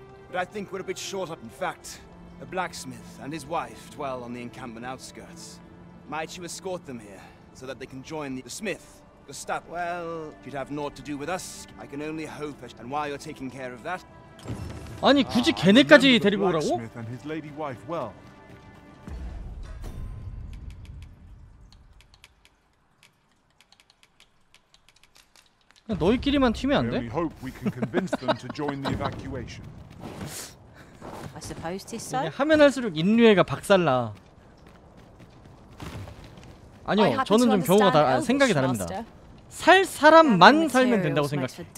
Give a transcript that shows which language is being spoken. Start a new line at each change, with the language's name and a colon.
English: But I think we're a bit short up. In fact, a blacksmith and his wife dwell on the encampment outskirts. Might you escort them here so that they can join the smith? Gustav, well, if you'd have naught to do with us, I can only hope that, and while you're taking care of that...
Korean: 아니, 굳이 걔네까지 데리고 오라고?
English: Blacksmith and his lady wife well. We hope we can convince them to join the evacuation. I suppose it is so.
Korean: 하면 할수록 인류애가 박살나. 아니요, 저는 좀 경우가 다 생각이 다릅니다. 살 사람만 살면 된다고 생각해.